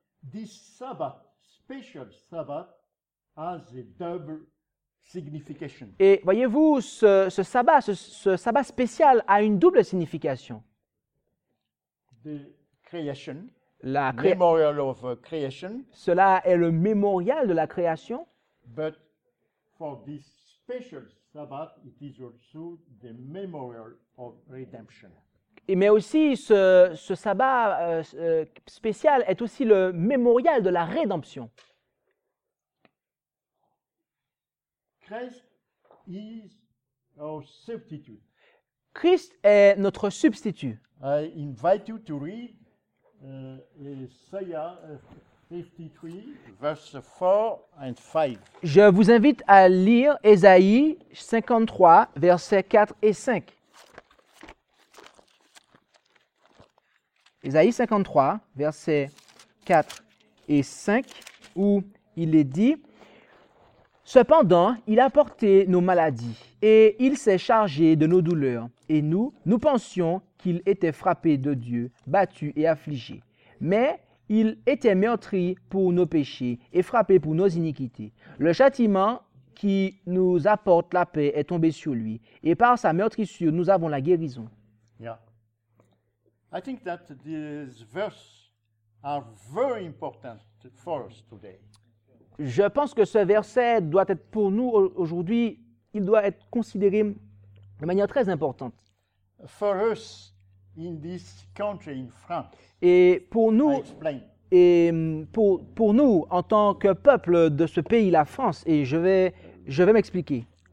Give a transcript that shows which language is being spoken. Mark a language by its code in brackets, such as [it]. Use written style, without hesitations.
[en] This Sabbath, special Sabbath, has a double signification. [fr] Et voyez-vous, ce sabbat spécial a une double signification. [en] The creation, [fr] La cré... [en] memorial of creation, [fr] Cela est le mémorial de la création. [en] but for this special Sabbath, it is also the memorial of redemption. [fr] Mais aussi, ce sabbat spécial est aussi le mémorial de la rédemption. [en] Christ is our substitute. [fr] Christ est notre substitut. [en] I invite you to read Isaiah 53, verse 4 and 5. [fr] Je vous invite à lire Ésaïe 53, versets 4 et 5. Ésaïe 53, versets 4 et 5, où il est dit: Cependant, il a porté nos maladies et il s'est chargé de nos douleurs. Et nous pensions qu'il était frappé de Dieu, battu et affligé. Mais il était meurtri pour nos péchés et frappé pour nos iniquités. Le châtiment qui nous apporte la paix est tombé sur lui, et par sa meurtrissure, nous avons la guérison. [en] I think that these verses are very important for us today. [fr] Je pense que ce verset doit être pour nous aujourd'hui, il doit être considéré de manière très importante. [en] For us in this country, in France, [fr] Et pour [en] I [fr] nous, [en] explain. [fr] Et pour nous, en tant que peuple de ce pays, la France, et je vais m'expliquer.